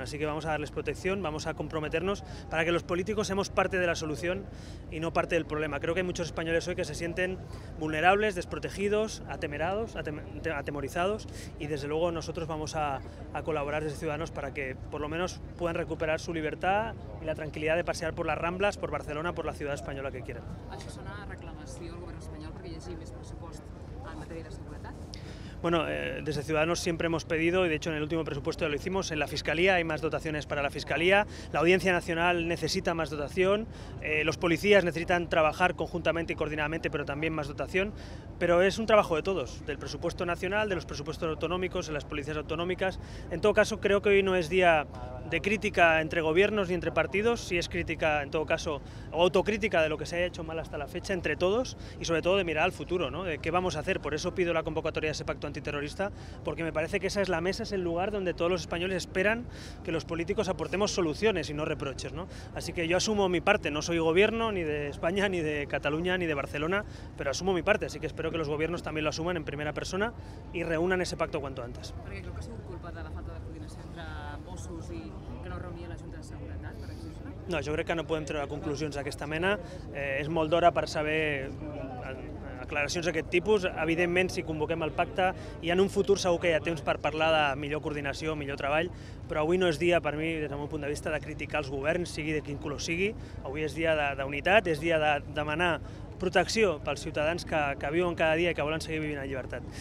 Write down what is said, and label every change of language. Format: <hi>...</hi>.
<es>Así que vamos a darles protección, vamos a comprometernos para que los políticos seamos parte de la solución y no parte del problema. Creo que hay muchos españoles hoy que se sienten vulnerables, desprotegidos, atemerados, atemorizados y desde luego nosotros vamos a colaborar desde Ciudadanos para que por lo menos puedan recuperar su libertad y la tranquilidad de pasear por las Ramblas, por Barcelona, por la ciudad española que quieran.</es> <ca>¿Això sona a reclamació al govern espanyol perquè hi hagi més pressupost en matèria de seguretat?</ca> <es>Bueno, desde Ciudadanos siempre hemos pedido, y de hecho en el último presupuesto ya lo hicimos, en la Fiscalía hay más dotaciones para la Fiscalía, la Audiencia Nacional necesita más dotación, los policías necesitan trabajar conjuntamente y coordinadamente, pero también más dotación, pero es un trabajo de todos, del presupuesto nacional, de los presupuestos autonómicos, de las policías autonómicas. En todo caso, creo que hoy no es día de crítica entre gobiernos ni entre partidos, sí es crítica, en todo caso, o autocrítica de lo que se ha hecho mal hasta la fecha, entre todos, y sobre todo de mirar al futuro, ¿no? De qué vamos a hacer, por eso pido la convocatoria de ese pacto antiterrorista, porque me parece que esa es la mesa, es el lugar donde todos los españoles esperan que los políticos aportemos soluciones y no reproches, ¿no? Así que yo asumo mi parte, no soy gobierno ni de España, ni de Cataluña, ni de Barcelona, pero asumo mi parte, así que espero que los gobiernos también lo asuman en primera persona y reúnan ese pacto cuanto antes. Porque creo que ha sido culpa de la falta de coordinación entre Mossos y que no reunía la Junta de Seguridad.</es> <ca>No, jo crec que no podem treure conclusions d'aquesta mena. És molt d'hora per saber aclaracions d'aquest tipus. Evidentment, si convoquem el pacte, i en un futur segur que hi ha temps per parlar de millor coordinació, millor treball, però avui no és dia, per mi, des del meu punt de vista, de criticar els governs, sigui de quin color sigui. Avui és dia d'unitat, és dia de demanar protecció pels ciutadans que viuen cada dia i que volen seguir vivint en llibertat.</ca>